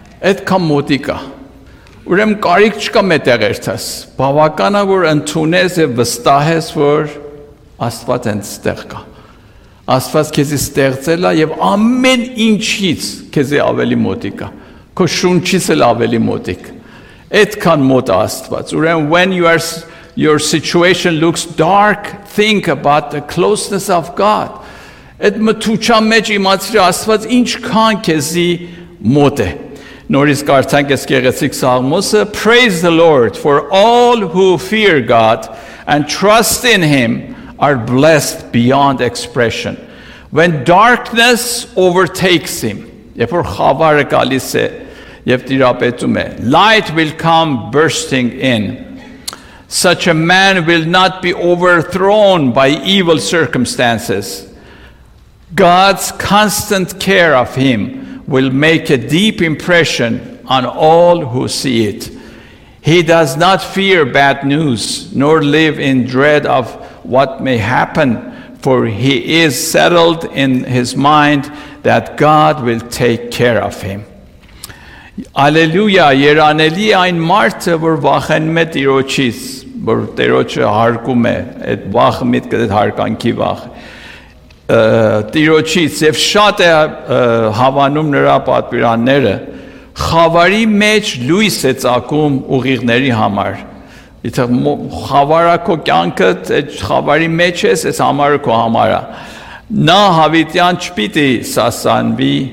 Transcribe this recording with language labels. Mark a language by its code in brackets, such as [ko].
[hy] այդքան մոտիկ է։ Ուրեմն կարիք չկա մետեղերթես, բավական է, որ ընդունես և վստահես, որ Աստված հենց ստեղ կա, Աստված քեզի ստեղծել է և ամեն ինչից քեզի ավելի մոտիկ է, քո շունչից էլ ավելի մոտիկ, այդքան մոտ է Աստված։ Ուրեմն [en] when your situation looks dark, think about the closeness of God. [hy] Այդ մթության մեջ իմացրի Աստված ինչքան քեզի մոտ է։ Նորից կարդանք ես գեղեցիկ Սաղմոսը. [en] Praise the Lord, for all who fear God and trust in Him are blessed beyond expression. When darkness overtakes him, [hy] երբ որ խավարը գալիս է և տիրապետում է, [en] light will come bursting in. Such a man will not be overthrown by evil circumstances. God's constant care of him will make a deep impression on all who see it. He does not fear bad news, nor live in dread of what may happen, for he is settled in his mind that God will take care of him. [hy] Alleluia, երանելի այն մարդը, որ վախենում է տիրոջից, որ տիրոջը հարգում է, այդ վախը միտքը այդ հարգանքի վախը, տիրոջից, և շատ է հավանում նրա պատվիրանները, խավարի մեջ լույս է ծակում ուղիղների համար։ Եթե խավարա քո կյանքդ, այդ խավարի մեջ ես, այս համարը քո համարա։ Նա հավիտյան չպիտի սասանվի,